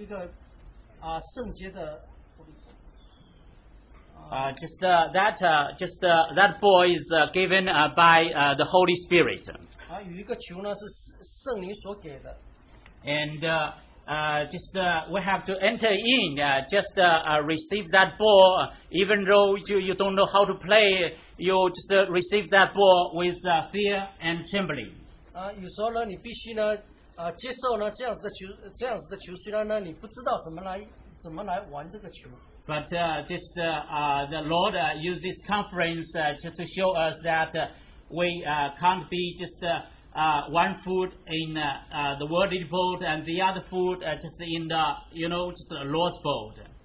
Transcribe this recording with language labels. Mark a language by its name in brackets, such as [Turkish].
[Chinese] 对着我个人来讲呢，神好像有一个很高的一个圣洁的。 [English] That ball is given by the Holy Spirit. [Chinese] 有一个球呢是圣灵所给的。 [English] And we have to enter in, receive that ball, even though you don't know how to play, you just receive that ball with fear and trembling. [Chinese] 有时候呢，你必须呢，接受呢这样子的球，虽然呢你不知道怎么来玩这个球。 [English] But the Lord used this conference to show us that we can't be just one foot in the worldly boat and the other foot just in the, you know, just the Lord's boat.